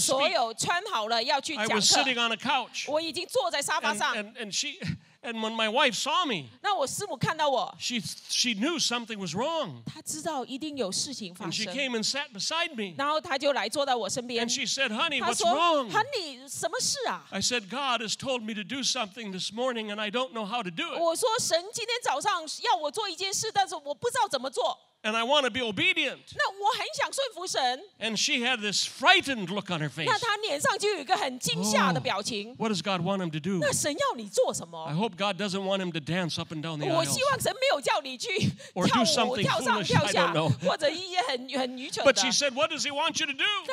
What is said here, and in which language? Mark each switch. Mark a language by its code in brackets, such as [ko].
[zh] 所有穿好了要去讲课。 [en] I was sitting on a couch. [zh] 我已经坐在沙发上。 [en] And when my wife saw me, [zh] 那我师母看到我 [en] she knew something was wrong. [zh] 她知道一定有事情发生 [en] And she came and sat beside me. [zh] 然后她就来坐在我身边 [en] And she said, "Honey, what's wrong?" [zh] Honey, 什么事啊 [en] I said, "God has told me to do something this morning, and I don't know how to do it." [zh] 我说神今天早上要我做一件事，但是我不知道怎么做 [en] And I want to be obedient. [zh] 那我很想顺服神 [en] And she had this frightened look on her face. [zh] 那她脸上就有一个很惊吓的表情 [en] What does God want him to do? [zh] 那神要你做什么 [en] I hope God doesn't want him to dance up and down the aisles. [zh] 我希望神没有叫你去 [en] Or do something foolish, I don't know. [zh] 或者一些很愚蠢的 [en] But she said, what does he want you to do?